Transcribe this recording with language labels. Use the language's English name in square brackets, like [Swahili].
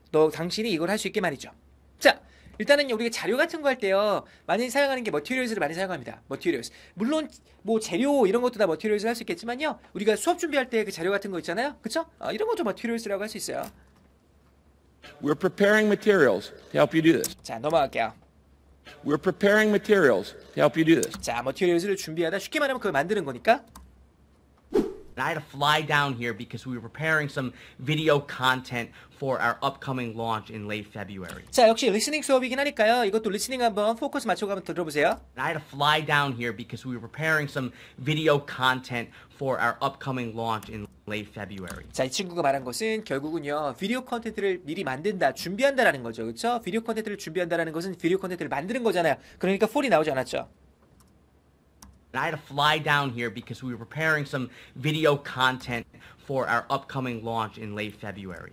[Korean] 너 당신이 이걸 할 수 있게 말이죠. 자, 일단은 우리가 자료 같은 거할 때요, 많이 사용하는 게 materials를 많이 사용합니다. materials. 물론 뭐 재료 이런 것도 다 materials를 할 수 있겠지만요, 우리가 수업 준비할 때 그 자료 같은 거 있잖아요, 그쵸? 이런 것도 materials라고 할 수 있어요. [English] We're preparing materials to help you do this. [Korean] 자, 넘어갈게요. [English] We're preparing materials to help you do this. [Korean] 자, materials를 준비하다. 쉽게 말하면 그걸 만드는 거니까. [English] I had to fly down here because we were preparing some video content for our upcoming launch in late February. [Korean] 자, 역시 리스닝 수업이긴 하니까요. 이것도 리스닝 한번 포커스 맞춰 가면 들어보세요. [English] I had to fly down here because we were preparing some video content for our upcoming launch in late February. [Korean] 자, 이 친구가 말한 것은 결국은요, 비디오 콘텐츠를 미리 만든다, 준비한다라는 거죠. 그렇죠? 비디오 콘텐츠를 준비한다라는 것은 비디오 콘텐츠를 만드는 거잖아요. 그러니까 for이 나오지 않았죠. [English] And I had to fly down here because we were preparing some video content for our upcoming launch in late February.